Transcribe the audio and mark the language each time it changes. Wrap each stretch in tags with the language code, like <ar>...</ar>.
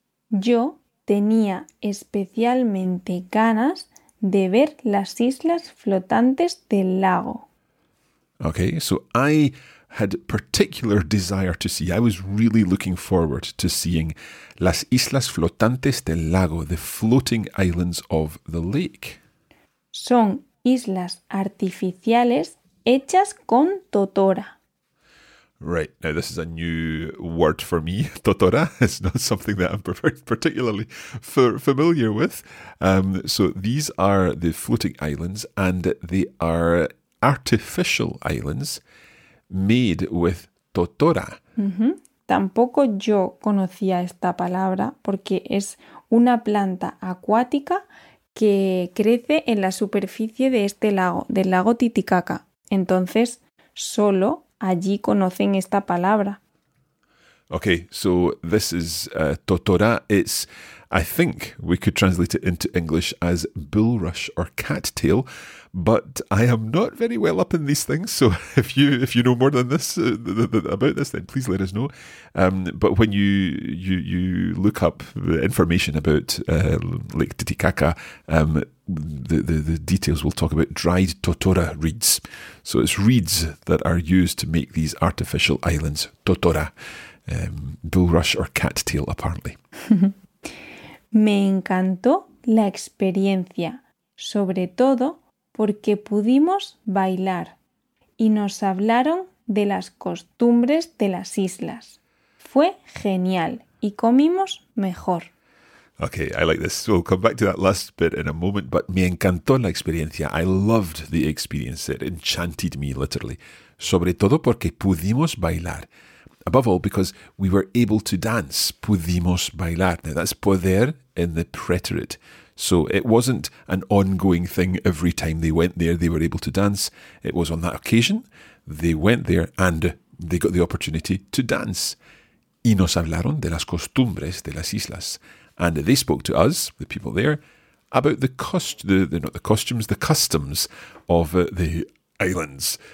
<es>Yo tenía especialmente ganas de ver las islas flotantes del lago.</es> <en>Okay, so I had particular desire to see, I was really looking forward to seeing</en> <es>las islas flotantes del lago,</es> <en>the floating islands of the lake.</en> <es>Son islas artificiales hechas con totora.</es> <en>Right, now this is a new word for me. Totora is not something that I'm particularly familiar with. So these are the floating islands, and they are artificial islands made with totora. Mm-hmm.</en> <es>Tampoco yo conocía esta palabra porque es una planta acuática que crece en la superficie de este lago, del lago Titicaca. Entonces, solo allí conocen esta palabra.</es> <en>Okay, so this is totora. It's, I think we could translate it into English as bulrush or cattail, but I am not very well up in these things. So if you know more than this about this, then please let us know. But when you look up the information about Lake Titicaca, the details will talk about dried totora reeds. So it's reeds that are used to make these artificial islands, totora, bulrush or cattail, apparently.</en> <es>Me encantó la experiencia, sobre todo porque pudimos bailar y nos hablaron de las costumbres de las islas. Fue genial y comimos mejor.</es> <en>Okay, I like this. We'll come back to that last bit in a moment, but</en> <es>me encantó la experiencia.</es> <en>I loved the experience. It enchanted me, literally.</en> <es>Sobre todo porque pudimos bailar.</es> <en>Above all, because we were able to dance,</en> <es>pudimos bailar.</es> <en>Now, that's poder in the preterite. So it wasn't an ongoing thing every time they went there, they were able to dance. It was on that occasion, they went there and they got the opportunity to dance.</en> <es>Y nos hablaron de las costumbres de las islas.</es> <en>And they spoke to us, the people there, about the customs of the islands.</en>